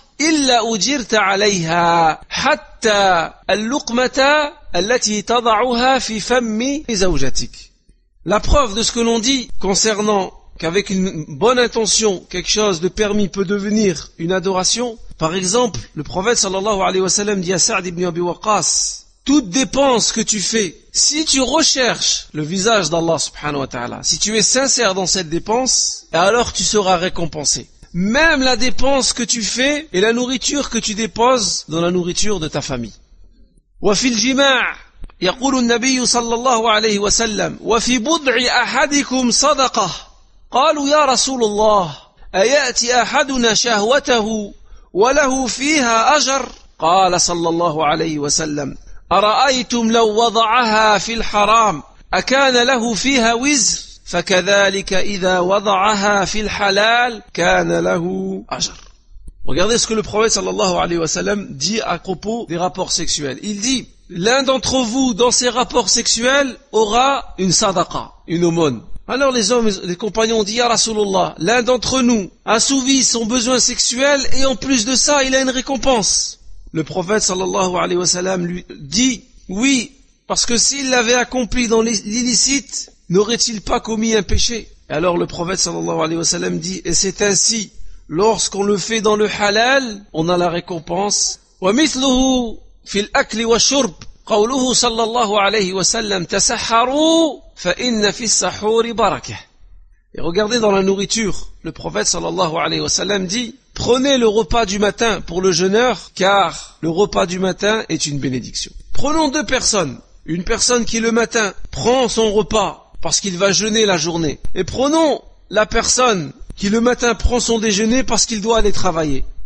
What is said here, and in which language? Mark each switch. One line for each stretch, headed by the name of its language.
Arabic: إلا أجرت عليها حتى اللقمة التي تضعها في فم زوجتك.
French: La preuve de ce que l'on dit concernant qu'avec une bonne intention, quelque chose de permis peut devenir une adoration. Par exemple, le prophète sallallahu alayhi wa sallam dit à Sa'd ibn Abi Waqqas, toute dépense que tu fais, si tu recherches le visage d'Allah subhanahu wa ta'ala, si tu es sincère dans cette dépense, alors tu seras récompensé. Même la dépense que tu fais et la nourriture que tu déposes dans la nourriture de ta famille.
Arabic: وفي الجماع يقول النبي صلى الله عليه وسلم وفي بضع أحدكم صدقة قالوا يا رسول الله أيأتي أحدنا شهوته وله فيها أجر قال صلى الله عليه وسلم أرأيتم لو وضعها في الحرام أكان له فيها وزر فكذلك إذا وضعها في الحلال كان له أجر.
French: Regardez ce que le prophète sallallahu alayhi wa sallam dit à propos des rapports sexuels. Il dit, l'un d'entre vous dans ses rapports sexuels aura une sadaqa, une aumône, Alors les compagnons ont dit, ya Rasulullah, l'un d'entre nous assouvit son besoin sexuel et en plus de ça, il a une récompense. Le prophète sallallahu alayhi wa sallam lui dit, oui, parce que s'il l'avait accompli dans l'illicite, n'aurait-il pas commis un péché? Et alors le prophète sallallahu alayhi wa sallam dit, et c'est ainsi, lorsqu'on le fait dans le halal, on a la récompense.
Arabic: Wa mithluhu fil akli wa shurb. قوله صلى الله عليه وسلم تسحروا فإن في السحور بركة.
French: Et regardez dans la nourriture, le prophète sallallahu alayhi wa sallam dit, prenez le repas du matin pour le jeûneur, car le repas du matin est une bénédiction. Prenons deux personnes, une personne qui le matin prend son repas parce qu'il va jeûner la journée, et prenons la personne qui le matin prend son déjeuner parce qu'il doit aller travailler.